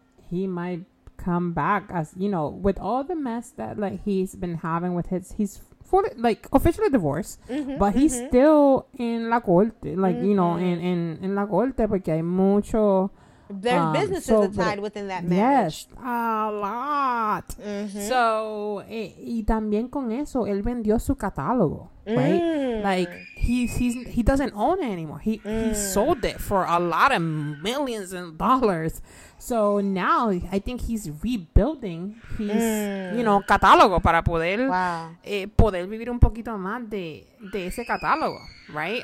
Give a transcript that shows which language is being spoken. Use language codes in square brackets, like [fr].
[en] He might come back as, you know, with all the mess that like he's been having with he's fully like officially divorced, mm-hmm, but he's mm-hmm. still in La Corte, like mm-hmm. you know, in La Corte, [es] porque hay mucho. [en] Their businesses so, are tied within that marriage. Yes, a lot. Mm-hmm. [es] So, y también con eso, él vendió su catálogo, mm. [en] right? Like, he doesn't own it anymore. He sold it for a lot of millions of dollars. So, now, I think he's rebuilding his, you know, [es] catálogo para poder, [en] wow. [es] Poder vivir un poquito más de ese catálogo, right?